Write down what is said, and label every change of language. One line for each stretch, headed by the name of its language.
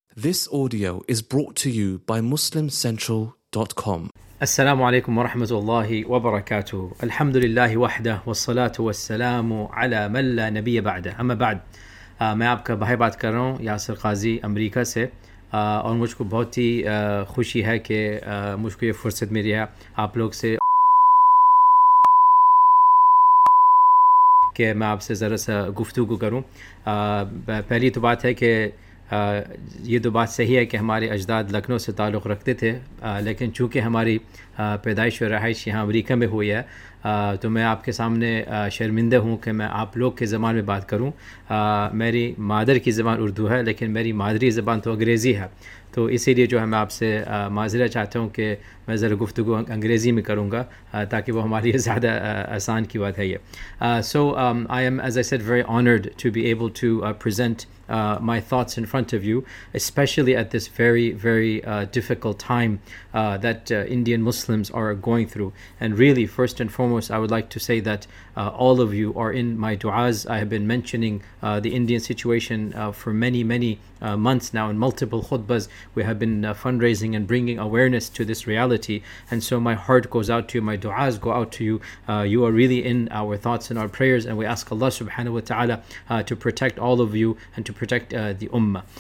English: This audio is brought to you by MuslimCentral.com.
Arabic: السلام عليكم ورحمة الله وبركاته. الحمد لله وحده والصلاة والسلام على من لا نبي بعده. أما بعد،
Urdu: میں آپ کا بھائی بات کر رہا ہوں یاسر قاضی امریکہ سے، اور مجھ کو بہت ہی خوشی ہے کہ مجھ کو یہ فرصت ملی ہے آپ لوگ سے کہ میں آپ سے ذرا سا گفتگو کروں. پہلی تو بات ہے کہ یہ تو بات صحیح ہے کہ ہمارے اجداد لکھنؤ سے تعلق رکھتے تھے، لیکن چونکہ ہماری پیدائش و رہائش یہاں امریکہ میں ہوئی ہے، تو میں آپ کے سامنے شرمندہ ہوں کہ میں آپ لوگ کے زبان میں بات کروں. میری مادر کی زبان اردو ہے، لیکن میری مادری زبان تو انگریزی ہے، تو اسی لیے جو ہے میں آپ سے معذرت چاہتا ہوں کہ میں ذرا گفتگو انگریزی میں کروں گا، تاکہ وہ ہمارے لیے زیادہ آسان کی بات ہے یہ.
English: So I am as I said very honoured to be able to present my thoughts in front of you, especially at this very very difficult time that Indian Muslims are going through. And really, first and foremost, I would like to say that all of you are in my du'as. I have been mentioning the Indian situation for many, many months now. In multiple khutbas, we have been fundraising and bringing awareness to this reality. And so my heart goes out to you, my du'as go out to you. You are really in our thoughts and our prayers, and we ask Allah subhanahu wa ta'ala to protect all of you and to protect the ummah.